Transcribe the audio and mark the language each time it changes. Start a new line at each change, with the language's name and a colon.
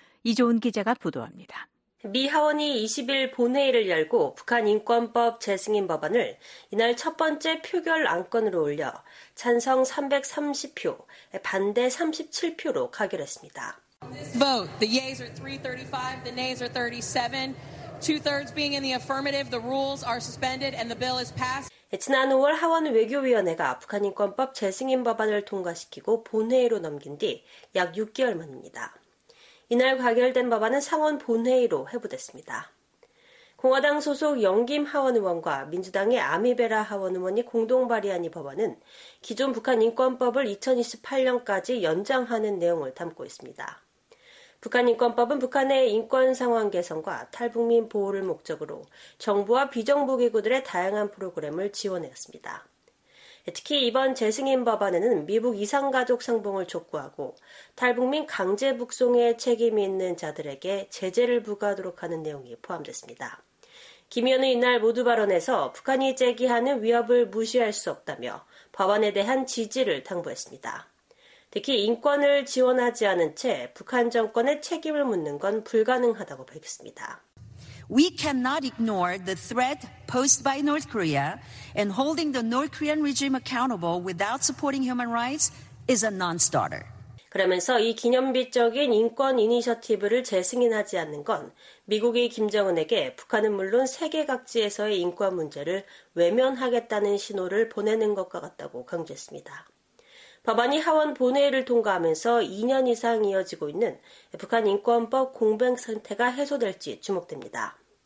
Korean: 이조은 기자가 보도합니다. 미 하원이 20일 본회의를 열고 북한인권법 재승인 법안을 이날 첫 번째 표결 안건으로 올려 찬성 330표, 반대 37표로 가결했습니다.
English: Vote. The yeas are 335, the nays are 37. Two-thirds being in the affirmative, the rules are suspended and the bill is passed.
Korean: 지난 5월 하원 외교위원회가 북한인권법 재승인 법안을 통과시키고 본회의로 넘긴 뒤 약 6개월 만입니다. 이날 가결된 법안은 상원 본회의로 회부됐습니다. 공화당 소속 영김 하원 의원과 민주당의 아미베라 하원 의원이 공동 발의한 이 법안은 기존 북한인권법을 2028년까지 연장하는 내용을 담고 있습니다. 북한인권법은 북한의 인권 상황 개선과 탈북민 보호를 목적으로 정부와 비정부기구들의 다양한 프로그램을 지원했습니다. 특히 이번 재승인 법안에는 미북 이산가족 상봉을 촉구하고 탈북민 강제 북송에 책임이 있는 자들에게 제재를 부과하도록 하는 내용이 포함됐습니다. 김 의원은 이날 모두 발언에서 북한이 제기하는 위협을 무시할 수 없다며 법안에 대한 지지를 당부했습니다. 특히 인권을 지원하지 않은 채 북한 정권의 책임을 묻는 건 불가능하다고 밝혔습니다.
English: We cannot ignore the threat posed by North Korea and holding the North Korean regime accountable without supporting human rights is a non-starter.
Korean: 그러면서 이 기념비적인 인권 이니셔티브를 재승인하지 않는 건 미국이 김정은에게 북한은 물론 세계 각지에서의 인권 문제를 외면하겠다는 신호를 보내는 것과 같다고 강조했습니다. 법안이 하원 본회의를 통과하면서 2년 이상 이어지고 있는 북한 인권법 공백 상태가 해소될지 주목됩니다.